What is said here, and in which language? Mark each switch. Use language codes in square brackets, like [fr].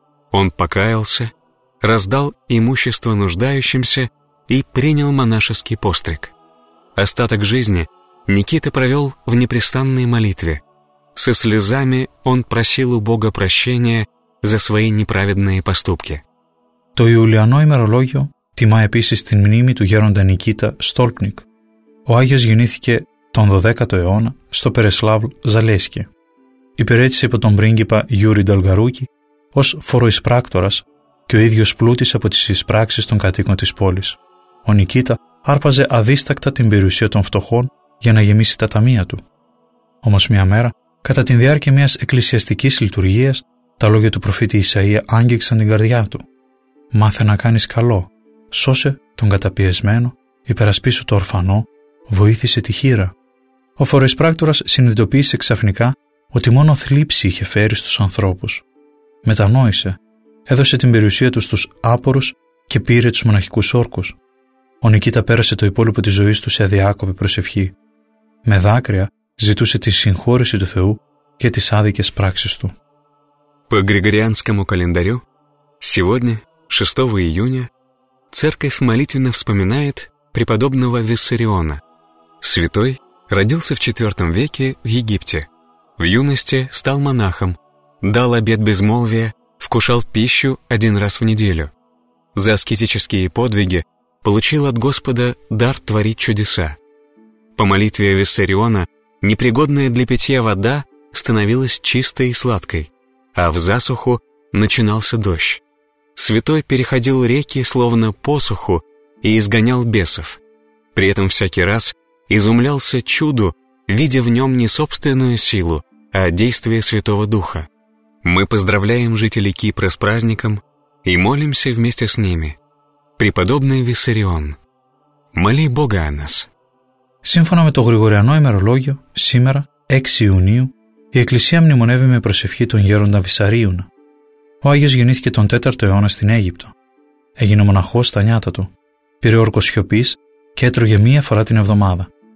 [ru] Он покаялся, раздал имущество нуждающимся и принял монашеский постриг. Остаток жизни Никита провел в непрестанной молитве. Со слезами он просил у Бога прощения за свои неправедные поступки. [el] Το Ιουλιανό ημερολόγιο τιμά επίσης την μνήμη του γέροντα Νικήτα Στόλπνικ. Ο Άγιος γεννήθηκε τον 12ο αιώνα στο Περεσλάβλ Ζαλέσκι. Υπηρέτησε υπό τον πρίγκιπα Γιούρι Νταλγαρούκη ως φοροεισπράκτορας και ο ίδιος πλούτησε από τις εισπράξεις των κατοίκων της πόλης. Ο Νικήτα άρπαζε αδίστακτα την περιουσία των φτωχών για να γεμίσει τα ταμεία του. Όμως μια μέρα, κατά τη διάρκεια μιας εκκλησιαστικής λειτουργίας, τα λόγια του προφήτη Ισαΐα άγγιξαν την καρδιά του. «Μάθε να κάνεις καλό, σώσε τον καταπιεσμένο, υπερασπίσου το ορφανό, βοήθησε τη χείρα». Ο φοροεισπράκτορας συνειδητοποίησε ξαφνικά ότι μόνο θλίψη είχε φέρει στους ανθρώπους. Μετανόησε, έδωσε την περιουσία του στους άπορους και πήρε τους μοναχικούς όρκους. Ο Νικήτα πέρασε το υπόλοιπο της ζωής του σε αδιάκοπη προσευχή. Με δάκρυα ζητούσε τη συγχώρεση του Θεού για τις άδικες πράξεις του. [ru] По Григорианскому календарю, сегодня, 6 июня, церковь молитвенно вспоминает преподобного Виссариона. Святой родился в 4 веке в Египте. В юности стал монахом, дал обет безмолвия, вкушал пищу один раз в неделю. За аскетические подвиги получил от Господа дар творить чудеса. По молитве Виссариона непригодная для питья вода становилась чистой и сладкой, а в засуху начинался дождь. Святой переходил реки словно посуху и изгонял бесов. При этом всякий раз изумлялся чуду, видя в нем не собственную силу, а действие Святого Духа. Мы поздравляем жителей Кипра с праздником и молимся вместе с ними. Преподобный Виссарион, моли Бога о нас. [el] Σύμφωνα με το Γρηγοριανό ημερολόγιο, σήμερα, 6 Ιουνίου, η Εκκλησία μνημονεύει με προσευχή τον Γέροντα Βυσσαρίουνα. Ο Άγιος γεννήθηκε τον 4ο αιώνα στην Αίγυπτο. Έγινε μοναχός στα νιάτα του, πήρε όρκο σιωπής και έτρωγε μία φορά την εβδομάδα.